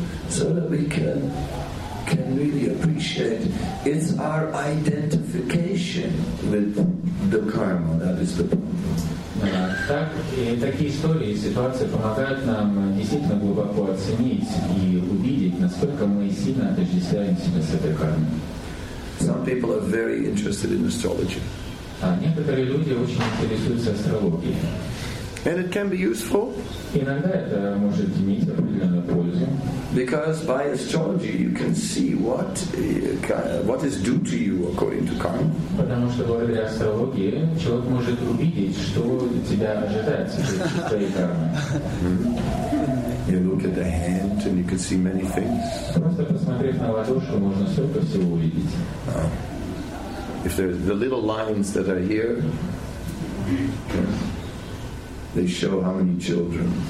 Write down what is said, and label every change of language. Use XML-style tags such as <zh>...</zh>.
<en>So that we can really appreciate it's our identification with the karma that is the problem.</en> <ru>Так, и такие истории и ситуации помогают нам действительно глубоко оценить и увидеть, насколько мы сильно отождествляем себя с этой кармой.</ru> <en>Some people are very interested in astrology.</en> <ru>Некоторые люди очень интересуются астрологией.</ru> <en>And it can be useful.</en> <ru>Иногда это может иметь определенную пользу.</ru> <en>Because by astrology you can see what is due to you according to karma.</en> <ru>Потому что благодаря астрологии человек может увидеть, что тебя ожидает в твоей карме.</ru> <en>You look at the hand and you can see many things.</en> <ru>Просто посмотрев на ладошку, можно столько всего увидеть.</ru> <en>If there's the little lines that are here. They show how many children.</en>